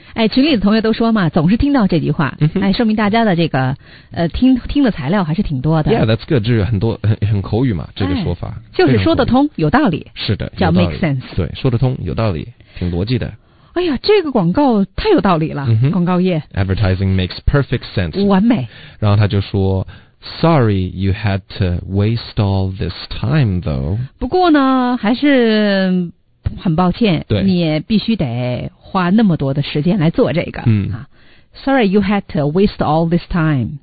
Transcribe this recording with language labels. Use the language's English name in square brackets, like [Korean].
[Chinese] 哎，群里的同学都说嘛，总是听到这句话，哎，说明大家的这个听的材料还是挺多的。 [English] Yeah, that's good. [Chinese] 这是很多很口语嘛，这个说法、哎、就是说得通，有道理。是的，叫 [English] make sense。 [Chinese] 对，说得通，有道理，挺逻辑的。哎呀，这个广告太有道理了、 mm-hmm. 广告业 [English] Advertising makes perfect sense [Chinese] 完美然后他就说 [English] Sorry you had to waste all this time though [Chinese] 不过呢还是很抱歉对你也必须得花那么多的时间来做这个、嗯 [English] 啊、Sorry you had to waste all this time